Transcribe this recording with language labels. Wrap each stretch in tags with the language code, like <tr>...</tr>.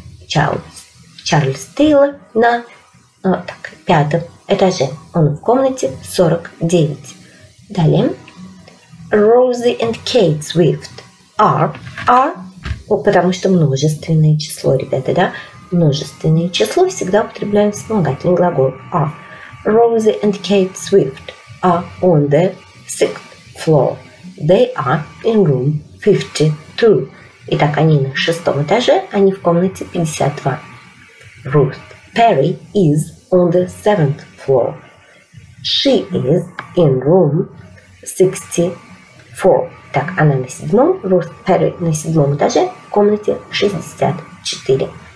<ru>Charles Taylor на пятом этаже. Он в комнате 49. Далее.</ru> <en>Rosie and Kate Swift are,</en> <ru>потому что множественное число, ребята, да? Множественное число всегда употребляем вспомогательный глагол are.</ru> <en>Rosie and Kate Swift are on the sixth floor. They are in room 52.</en> <ru>Итак, они на шестом этаже, они в комнате 52.</ru> <en>Ruth Perry is on the seventh floor. She is in room 64.</en> <ru>Так, она на седьмом, Ruth Perry на седьмом этаже, в комнате 64.</ru>